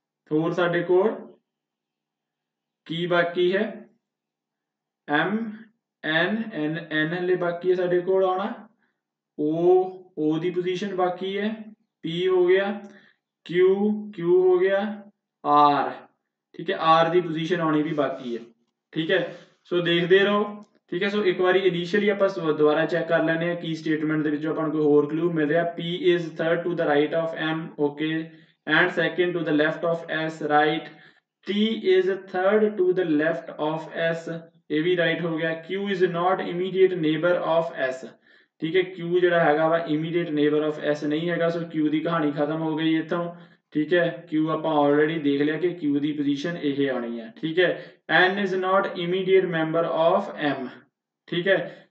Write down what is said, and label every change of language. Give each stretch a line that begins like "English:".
Punjabi: ਹੋਰ ਸਾਡੇ ਕੋਲ ਕੀ ਬਾਕੀ ਹੈ ਐਮ ਐਨ ਐਨ ਐਨ ਹਲੇ ਬਾਕੀ ਹੈ ਸਾਡੇ ਕੋਲ ਆਉਣਾ ਓ ਓ ਦੀ ਪੋਜੀਸ਼ਨ ਬਾਕੀ ਹੈ ਪੀ ਹੋ ਗਿਆ ਕਿਊ ਕਿਊ ਹੋ ਗਿਆ ਆਰ ਠੀਕ ਹੈ ਆਰ ਦੀ ਪੋਜੀਸ਼ਨ ਆਉਣੀ ਵੀ ਬਾਕੀ ਹੈ ਠੀਕ ਹੈ ਸੋ ਦੇਖਦੇ ਰਹੋ ਠੀਕ ਹੈ ਸੋ ਇੱਕ ਵਾਰੀ ਇਨੀਸ਼ੀਅਲੀ ਆਪਾਂ ਦੁਬਾਰਾ ਚੈੱਕ ਕਰ ਲੈਂਦੇ ਹਾਂ ਕੀ ਸਟੇਟਮੈਂਟ ਦੇ ਵਿੱਚੋਂ ਆਪਾਂ ਨੂੰ ਕੋਈ ਹੋਰ ਕਲੂ ਮਿਲ ਰਿਹਾ
English: P is third to the right of M okay and second to the left of s, right. T is third to the left of s,
Punjabi: ਇਹ ਵੀ ਰਾਈਟ ਹੋ ਗਿਆ.
English: Q is not immediate neighbour of S,
Punjabi: ਠੀਕ ਹੈ. ਕਿਊ ਜਿਹੜਾ ਹੈਗਾ ਵਾ immediate neighbour of S ਨਹੀਂ ਹੈਗਾ. ਸੋ ਕਿਊ ਦੀ ਕਹਾਣੀ ਖਤਮ ਹੋ ਗਈ ਇੱਥੋਂ, ਠੀਕ ਹੈ. ਕਿਊ ਆਪਾਂ ਆਲਰੇਡੀ ਦੇਖ ਲਿਆ ਕਿ ਕਿਊ ਦੀ ਪੋਜੀਸ਼ਨ ਇਹ ਆਉਣੀ ਹੈ, ਠੀਕ ਹੈ.
English: N is not immediate member of M,
Punjabi: ਠੀਕ ਹੈ.